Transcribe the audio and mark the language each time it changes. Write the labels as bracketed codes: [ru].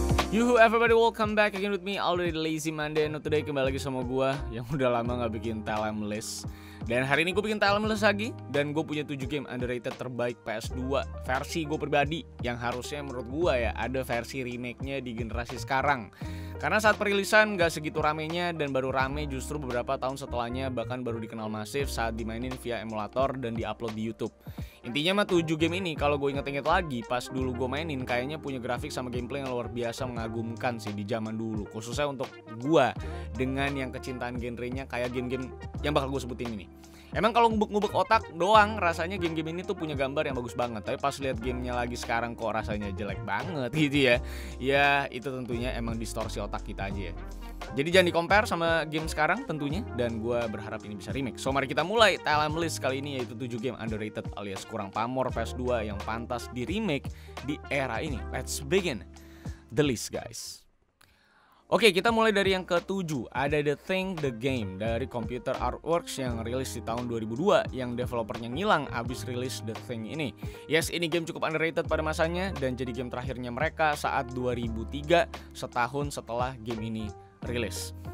[en] Yuhu everybody, welcome back again with me Already Lazy Monday. And today [id] kembali lagi sama gue yang udah lama gak bikin timeless. Dan hari ini gue bikin timeless lagi, dan gue punya 7 game underrated terbaik PS2 versi gue pribadi, yang harusnya menurut gue ya ada versi remake-nya di generasi sekarang. Karena saat perilisan gak segitu ramenya, dan baru rame justru beberapa tahun setelahnya, bahkan baru dikenal masif saat dimainin via emulator dan diupload di YouTube. Intinya mah 7 game ini kalau gue inget-inget lagi pas dulu gue mainin, kayaknya punya grafik sama gameplay yang luar biasa mengagumkan sih di zaman dulu, khususnya untuk gue dengan yang kecintaan genrenya kayak game-game yang bakal gue sebutin ini. Emang kalau ngubek-ngubek otak doang rasanya game-game ini tuh punya gambar yang bagus banget, tapi pas lihat gamenya lagi sekarang kok rasanya jelek banget gitu ya. Ya itu tentunya emang distorsi otak kita aja ya. Jadi jangan di-compare sama game sekarang tentunya, dan gue berharap ini bisa remake. So mari kita mulai timeless kali ini, yaitu 7 game underrated alias kurang pamor PS2 yang pantas di-remake di era ini. [en] Let's begin the list guys. [id] Oke, kita mulai dari yang ke-7. Ada The Thing, The Game dari Computer Artworks yang rilis di tahun 2002, yang developernya ngilang abis rilis The Thing ini. Yes, ini game cukup underrated pada masanya dan jadi game terakhirnya mereka saat 2003, setahun setelah game ini rilis.